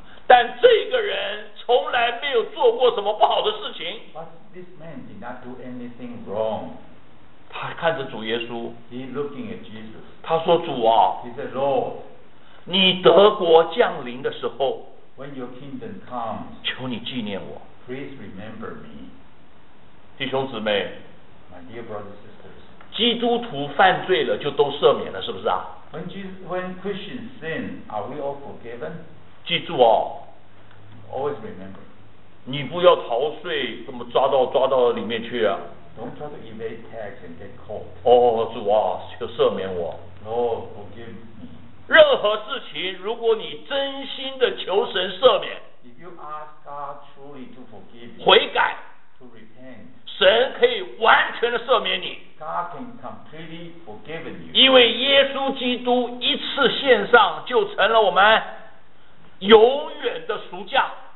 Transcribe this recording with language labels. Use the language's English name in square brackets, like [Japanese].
[Chinese] 但这个人从来没有做过什么不好的事情 [English] but this man did not do anything wrong [Chinese] 他看着主耶稣 [English] he looking at Jesus [Chinese] 他说主啊 [English] he said Lord [Chinese] 你德国降临的时候 [English] When your kingdom comes, [Chinese] 求你纪念我 [English] Please remember me. [Chinese] 弟兄姊妹 [English] My dear brothers and sisters, [Chinese] 基督徒犯罪了就都赦免了是不是啊 [English] When Christians sin, are we all forgiven? [Chinese] 记住哦 [English] Always remember. [Chinese] 你不要逃税，怎么抓到里面去啊？ [English] Don't try to evade tax and get caught. [Chinese] 哦，主啊，求赦免我。 [English] Lord, forgive me. [Chinese] 任何事情，如果你真心的求神赦免 [English] ，If you ask God truly to forgive, [Chinese] 悔改 [English] ，to repent, [Chinese] 神可以完全的赦免你。 [English] God can completely forgive you. [Chinese] 因为耶稣基督一次献上，就成了我们永远的赎价。